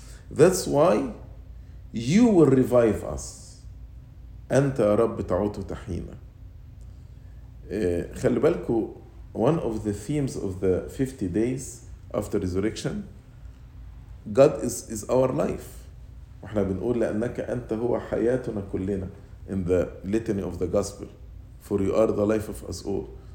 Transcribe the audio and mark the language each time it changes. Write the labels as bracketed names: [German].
[English] That's why you will revive us. [Arabic] أنت يا رب تعود وتحيينا. خلي بالكو, [English] one of the themes of the 50 days after resurrection, God is our life. [Arabic] وإحنا بنقول لأنك أنت هو حياتنا كلنا [English] in the litany of the gospel. For you are the life of us all.